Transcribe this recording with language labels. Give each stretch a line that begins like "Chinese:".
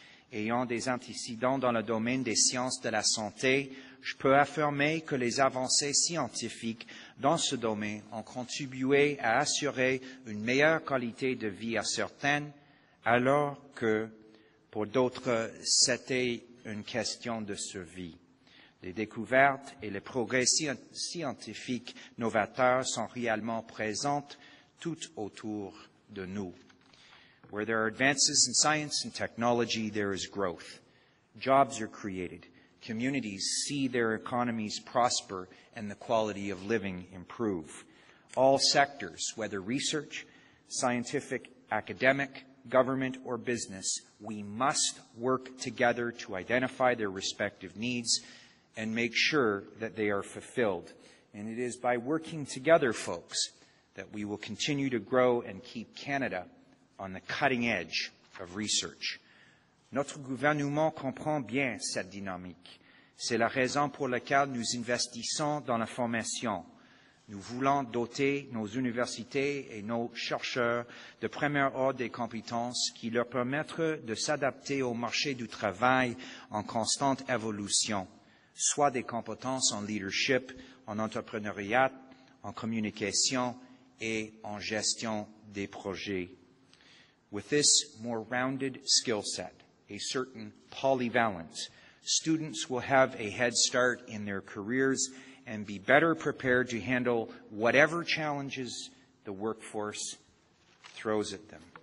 French: Ayant des antécédents dans le domaine des sciences de la santé, je peux affirmer que les avancées scientifiques dans ce domaine ont contribué à assurer une meilleure qualité de vie à certaines, alors que pour d'autres, c'était une question de survie. Les découvertes et les progrès scientifiques novateurs sont réellement présents tout autour de nous.
English: Where there are advances in science and technology, there is growth. Jobs are created. Communities see their economies prosper and the quality of living improve. All sectors, whether research, scientific, academic, government, or business, we must work together to identify their respective needs and make sure that they are fulfilled. And it is by working together, folks, that we will continue to grow and keep Canada on the cutting edge of research.
French: Notre gouvernement comprend bien cette dynamique. C'est la raison pour laquelle nous investissons dans la formation. Nous voulons doter nos universités et nos chercheurs de premier ordre des compétences qui leur permettent de s'adapter au marché du travail en constante évolution, soit des compétences en leadership, en entrepreneuriat, en communication et en gestion des projets.
English: With this more rounded skill set, a certain polyvalence, students will have a head start in their careers and be better prepared to handle whatever challenges the workforce throws at them.